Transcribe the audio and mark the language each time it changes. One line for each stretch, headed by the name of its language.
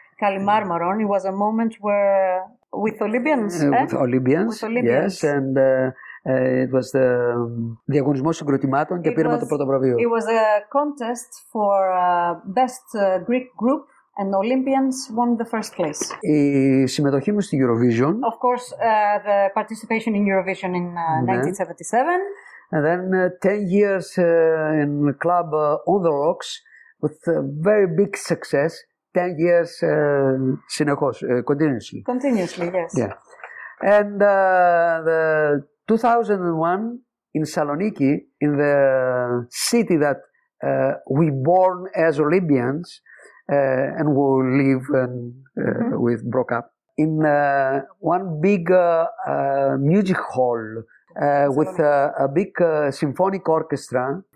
English: Kali Marmaron, it was a moment where with Olympians. Yes, and it was the
Greek: διαγωνισμός συγκροτημάτων και πήραμε το πρώτο βραβείο.
English: It was a contest for best Greek group and Olympians won the first place.
Greek: Η συμμετοχή μου στη Eurovision.
English: Of course, the participation in Eurovision in 1977. And then 10 years in the club on the rocks with a very big success. 10 years συνεχώς, continuously. Continuously, yes. Yeah. And the 2001 in Saloniki, in the city that we born as Olympians and we live and with broke up, in one big music hall with a big symphonic orchestra.